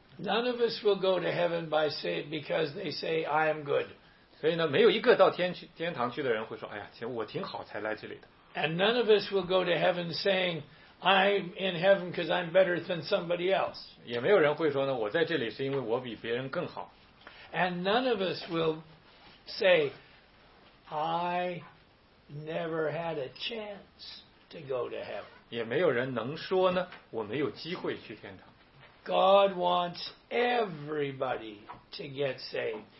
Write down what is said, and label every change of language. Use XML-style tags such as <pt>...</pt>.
<en>None of us will go to heaven by say because they say I am good.</en> <zh>所以呢，没有一个到天堂去的人会说，哎呀，其实我挺好才来这里的。</zh> <en>And none of us will go to heaven saying I'm in heaven because I'm better than somebody else.</en> <zh>也没有人会说呢，我在这里是因为我比别人更好。</zh> <en>And none of us will say I never had a chance to go to heaven.</en> <zh>也没有人能说呢，我没有机会去天堂。</zh> <en>God wants everybody to get saved.</en>